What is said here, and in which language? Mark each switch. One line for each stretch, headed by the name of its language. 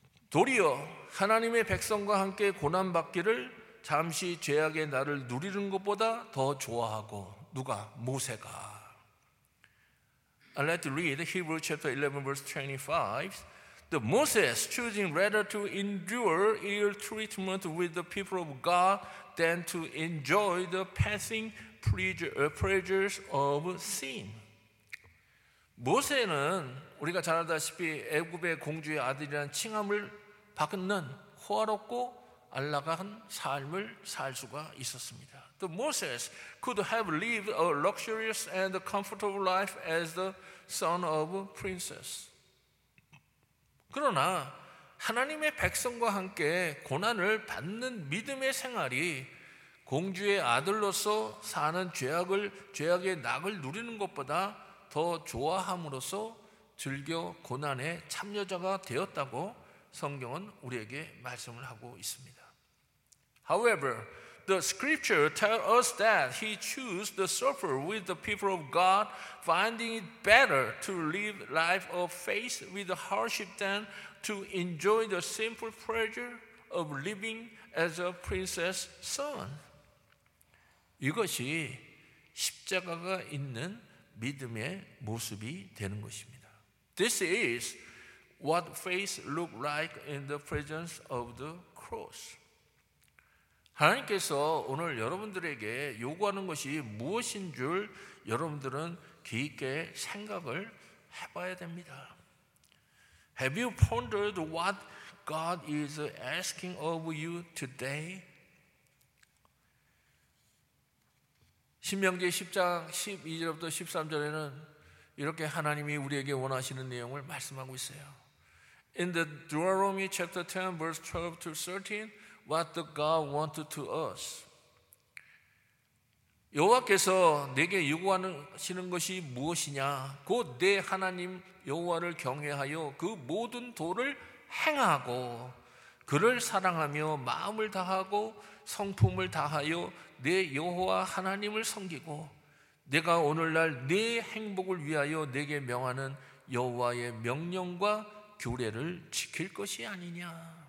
Korean: 도리어 하나님의 백성과 함께 고난받기를 잠시 죄악의 날을 누리는 것보다 더 좋아하고 누가? 모세가.
English: Let's read Hebrews chapter 11 verse 25. The Moses choosing rather to endure ill treatment with the people of God than to enjoy the passing pleasures of sin.
Korean: 모세는 우리가 잘 알다시피 애굽의 공주의 아들이라는 칭함을 받는 호화롭고 안락한 삶을 살 수가 있었습니다.
English: The Moses could have lived a luxurious and comfortable life as the son of a princess.
Korean: 그러나 하나님의 백성과 함께 고난을 받는 믿음의 생활이 공주의 아들로서 사는 죄악을 죄악의 낙을 누리는 것보다 더 좋아함으로써 즐겨 고난의 참여자가 되었다고 성경은 우리에게 말씀을 하고 있습니다.
English: However, the scripture tells us that he chose to suffer with the people of God, finding it better to live life of faith with hardship than to enjoy the simple pleasure of living as a princess son.
Korean: 이것이 십자가가 있는 믿음의 모습이 되는 것입니다.
English: This is what faith looked like in the presence of the cross.
Korean: 하나님께서 오늘 여러분들에게 요구하는 것이 무엇인 줄 여러분들은 깊게 생각을 해봐야 됩니다.
English: Have you pondered what God is asking of you today?
Korean: 신명기 10장 12절부터 13절에는 이렇게 하나님이 우리에게 원하시는 내용을 말씀하고 있어요.
English: In the Deuteronomy chapter 10 verse 12 to 13, what the God wanted to us.
Korean: 여호와께서 내게 요구하시는 것이 무엇이냐? 곧 내 하나님 여호와를 경외하여 그 모든 도를 행하고 그를 사랑하며 마음을 다하고 성품을 다하여 내 여호와 하나님을 섬기고 내가 오늘날 내 행복을 위하여 내게 명하는 여호와의 명령과 규례를 지킬 것이 아니냐.